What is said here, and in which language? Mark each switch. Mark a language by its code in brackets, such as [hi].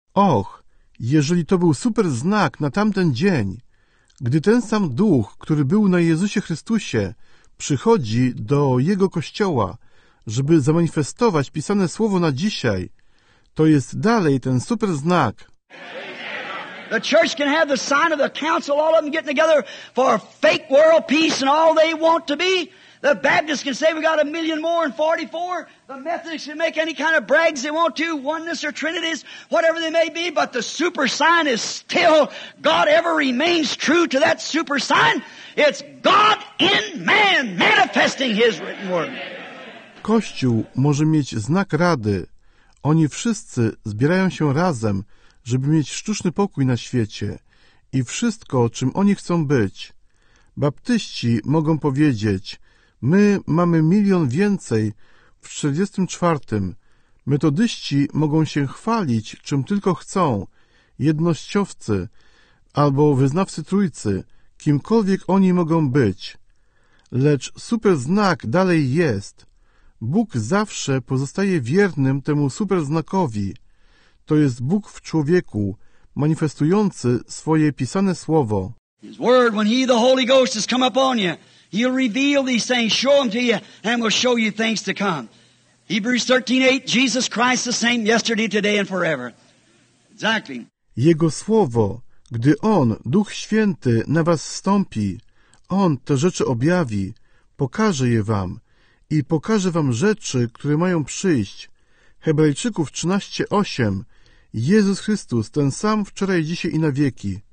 [pl] Och, jeżeli to był super znak na tamten dzień, gdy ten sam Duch, który był na Jezusie Chrystusie, przychodzi do Jego Kościoła, żeby zamanifestować pisane słowo na dzisiaj, to jest dalej ten super znak. Amen. [en] The church can have the sign of the council, all of them getting together for fake world peace and all they want to be. The Baptists can say we got a million more in 44. The Methodists can make any kind of brags they want to, oneness or trinities, whatever they may be, but the super sign is still, God ever remains true to that super sign. It's God in man manifesting His written word. [pl] Kościół może mieć znak rady. Oni wszyscy zbierają się razem, żeby mieć sztuczny pokój na świecie i wszystko, czym oni chcą być. Baptyści mogą powiedzieć, my mamy milion więcej w 44. Metodyści mogą się chwalić, czym tylko chcą. Jednościowcy albo wyznawcy Trójcy, kimkolwiek oni mogą być. Lecz super znak dalej jest. Bóg zawsze pozostaje wiernym temu superznakowi. To jest Bóg w człowieku, manifestujący swoje pisane słowo. [en] His word, when he, the Holy Ghost, has come upon you, he'll reveal these things, show them to you, and will show you things to come. Hebrews 13:8, Jesus Christ the same yesterday, today and forever. Exactly. [pl] Jego słowo, gdy On, Duch Święty, na was zstąpi, On te rzeczy objawi, pokaże je wam. I pokażę wam rzeczy, które mają przyjść. Hebrajczyków 13:8. Jezus Chrystus, ten sam wczoraj, dzisiaj i na wieki.